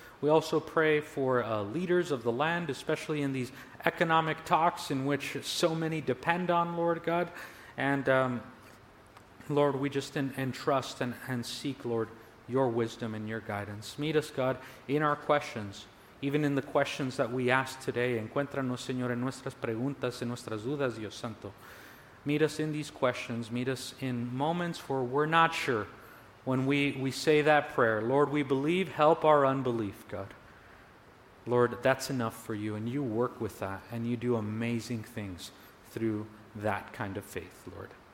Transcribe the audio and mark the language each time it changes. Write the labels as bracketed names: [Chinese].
[English] We also pray for leaders of the land, especially in these economic talks in which so many depend on, Lord God. And Lord, we just entrust and seek, Lord, your wisdom and your guidance. Meet us, God, in our questions, even in the questions that we ask today. [Spanish] Encuéntranos, Señor, en nuestras preguntas, en nuestras dudas, Dios Santo. [English] Meet us in these questions. Meet us in moments where we're not sure. When we say that prayer, Lord, we believe, help our unbelief, God. Lord, that's enough for you, and you work with that, and you do amazing things through that kind of faith, Lord.